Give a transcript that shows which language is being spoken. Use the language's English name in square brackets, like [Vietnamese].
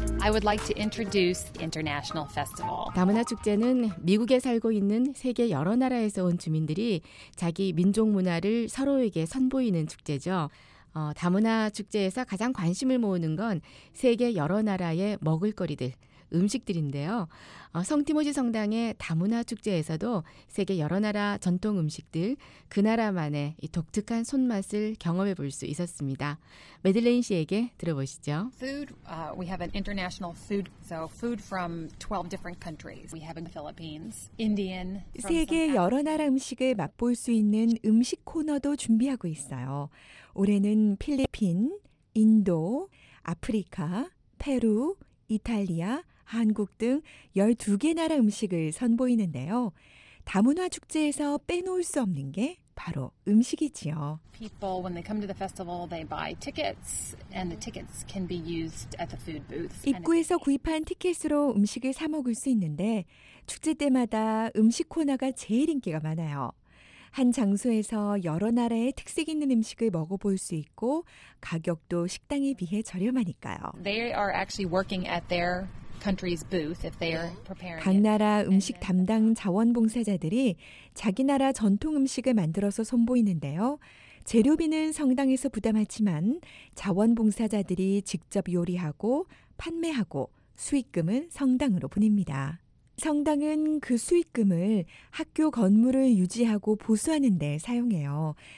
[English] I would like to introduce the International Festival. [Korean] 다문화 축제는 미국에 살고 있는 세계 여러 나라에서 온 주민들이 자기 민족 문화를 서로에게 선보이는 축제죠. 다문화 축제에서 가장 관심을 모으는 건 세계 여러 나라의 먹을거리들, 음식들인데요. 성티모지 성당의 다문화 축제에서도 세계 여러 나라 전통 음식들, 그 나라만의 이 독특한 손맛을 경험해 볼 수 있었습니다. 메들레인 씨에게 들어보시죠. [English] Food, we have an international food, so food from 12 different countries. We have in the Philippines, Indian. [Korean] 세계 여러 나라 음식을 맛볼 수 있는 음식 코너도 준비하고 있어요. 올해는 필리핀, 인도, 아프리카, 페루, 이탈리아, 한국 등 12개 나라 음식을 선보이는데요. 다문화 축제에서 빼놓을 수 없는 게 바로 음식이지요. [English] People when they come to the festival, they buy tickets and the tickets can be used at the food booth. [Korean] 입구에서 구입한 티켓으로 음식을 사 먹을 수 있는데 축제 때마다 음식 코너가 제일 인기가 많아요. 한 장소에서 여러 나라의 특색 있는 음식을 먹어볼 수 있고 가격도 식당에 비해 저렴하니까요. [English] They are actually working at their country's booth if they are preparing it. [Korean] 각 나라 음식 담당 자원봉사자들이 자기 나라 전통 음식을 만들어서 선보이는데요. 재료비는 성당에서 부담하지만 자원봉사자들이 직접 요리하고 판매하고 수익금은 성당으로 보냅니다. 성당은 그 수익금을 학교 건물을 유지하고 보수하는 데 사용해요.